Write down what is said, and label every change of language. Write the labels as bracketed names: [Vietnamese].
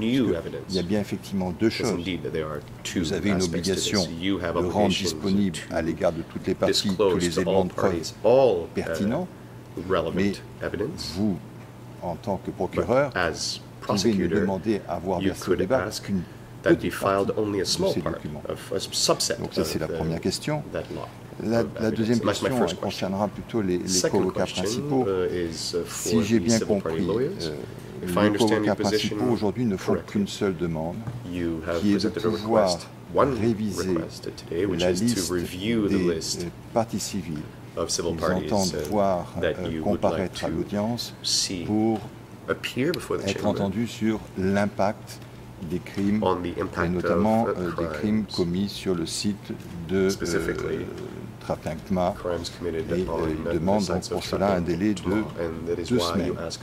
[French] Il y a bien effectivement deux choses. Vous avez une obligation de rendre disponible à l'égard de toutes les parties tous les éléments de preuve pertinents, mais vous, en tant que procureur, pouvez lui demander avoir versé au débat qu'une [English] that be filed only a small part of a subset. [French] Donc ça, c'est la première question. La deuxième question concernera plutôt les co-locats principaux. Si j'ai bien compris, les co-locats principaux aujourd'hui ne font qu'une seule demande, qui est de pouvoir réviser la liste des parties civiles qu'ils entendent voir comparaître à l'audience pour être entendus sur l'impact des crimes, et notamment des crimes commis sur le site de Trapinkma, et demande donc pour cela un délai de deux semaines.